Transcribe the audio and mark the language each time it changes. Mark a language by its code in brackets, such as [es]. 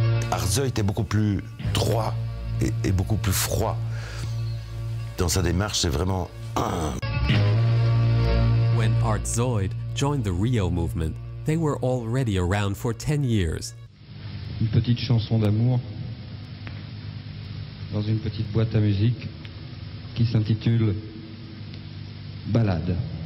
[fr] Arzeu était beaucoup plus droit et beaucoup plus froid dans sa démarche, c'est vraiment un. [en] When Arzeu joined the RIO movement, they were already around for 10 years. [fr] Une petite chanson d'amour dans une petite boîte à musique qui s'intitule Ballade.